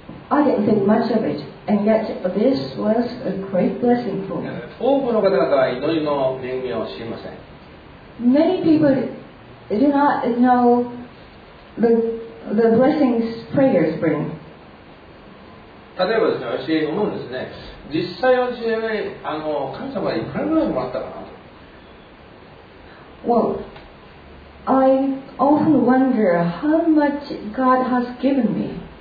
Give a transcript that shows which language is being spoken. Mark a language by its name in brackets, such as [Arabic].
[English] I didn't think much of it, and yet this was a great blessing for me. [Japanese] 多くの方々は祈りの恵みを知りません。 [English] Many people do not know the blessings prayers bring. [Japanese] 例えばですね、私思うんですね。実際私は神様はいくらぐらいもらったかなと。 [English] Well, I often wonder how much God has given me.